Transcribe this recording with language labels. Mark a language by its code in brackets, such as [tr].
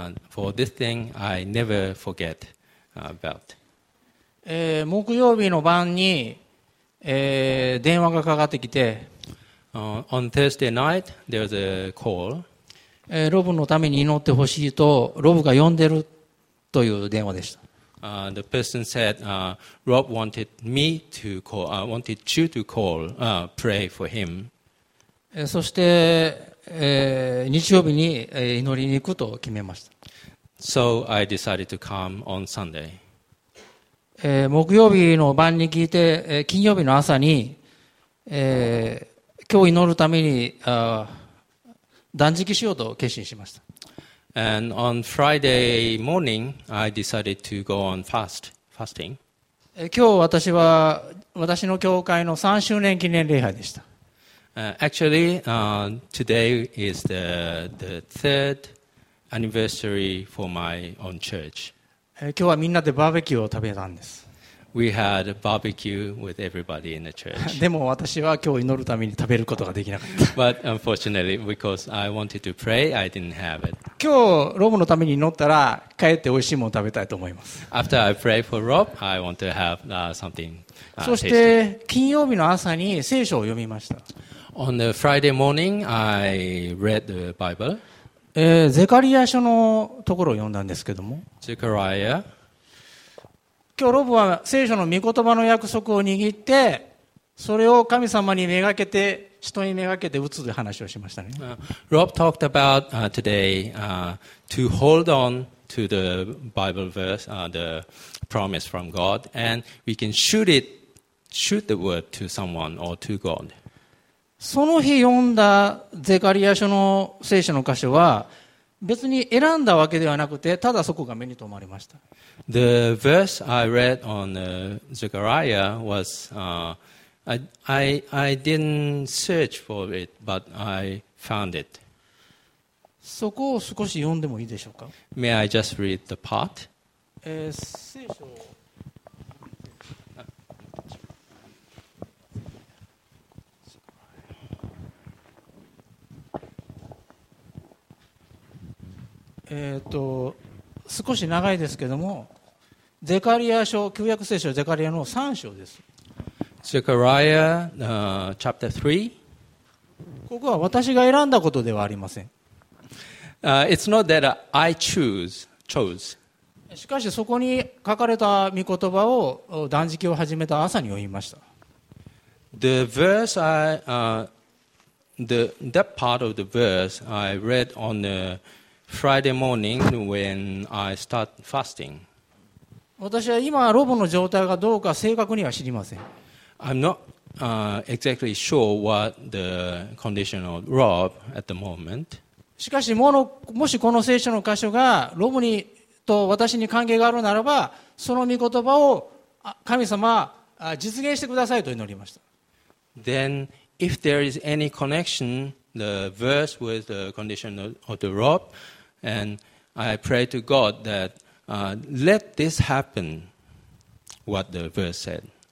[en] For this thing, I never forget about. [ja] 木曜日の晩に、電話がかかってきて、 [en] On Thursday night, there was a call. [ja] ロブのために祈ってほしいと、ロブが呼んでるという電話でした。 [en] The person said, Rob wanted me to call, wanted you to call, pray for him. [ja] そして、日曜日に祈りに行くと決めました。 [en] So I decided to come on Sunday. [ja] 木曜日の晩に聞いて、金曜日の朝に、今日祈るために、断食しようと決心しました。 [en] And on Friday morning, I decided to go on fasting. [ja] 今日私は私の教会の3周年記念礼拝でした。 [en] Actually, today is the third anniversary for my own church. [ja] 今日はみんなでバーベキューを食べたんです。 [en] We had a barbecue with everybody in the church. [ja] でも私は今日祈るために食べることができなかった。 [en] But unfortunately, because I wanted to pray, I didn't have it. [ja] 今日ロブのために祈ったら帰って美味しいものを食べたいと思います。 [en] After I pray for Rob, I want to have something. [ja] そして金曜日の朝に聖書を読みました。 [en] On the Friday morning, I read the Bible. [ja] ゼカリヤ書のところを読んだんですけども。ゼカリヤ。今日ロブは聖書の御言葉の約束を握って、それを神様にめがけて、人にめがけて打つという話をしましたね。 [en] Rob talked about today to hold on to the Bible verse, the promise from God, and we can shoot it, shoot the word to someone or to God. [ja] その日読んだゼカリヤ書の聖書の箇所は、別に選んだわけではなくて、ただそこが目に留まりました。 [en] The verse I read on Zechariah was, I didn't search for it, but I found it. [ja] そこを少し読んでもいいでしょうか? [en] May I just read the part? [ja] 聖書。少し長いですけども、ゼカリヤ書、旧約聖書ゼカリヤの3章です。 [en] ゼカリヤ、chapter 3. [ja] ここは私が選んだことではありません。 [en] It's not that I chose. [ja] しかしそこに書かれた御言葉を断食を始めた朝に読みました。 [en] The verse I, the, that part of the verse I read on theFriday morning when I start fasting. [ja] 私は今ロボの状態がどうか正確には知りません。 [en] I'm not exactly sure what the condition of Rob at the moment. [ja] しかし もしこの聖書の箇所がロボにと私に関係があるならば、その御言葉を神様実現してくださいと祈りました。 [en] Then if there is any connection, the verse with the condition of the Rob. And I pray to God that let this happen, what the verse said.